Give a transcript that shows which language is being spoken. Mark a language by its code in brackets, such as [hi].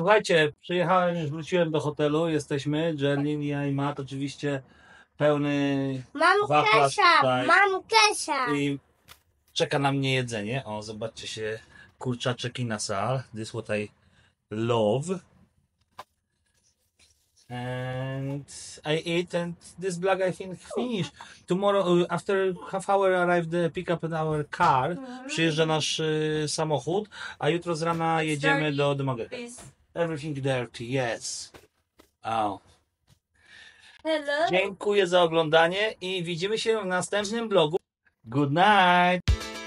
[pl] Słuchajcie, przyjechałem, już wróciłem do hotelu, jesteśmy, Jerlin, ja i Matt, oczywiście pełny wachlarz. Mam Kesia! I czeka na mnie jedzenie, o zobaczcie się, kurczaczek i na sal, [en] this what I love. And I eat and this vlog I think finish. Tomorrow, after half hour arrive the pickup in our car. [pl] Przyjeżdża nasz samochód, a jutro z rana jedziemy do Demogorgon. [en] Everything dirty, yes. Oh. Hello. [pl] Dziękuję za oglądanie i widzimy się w następnym vlogu. [en] Good night.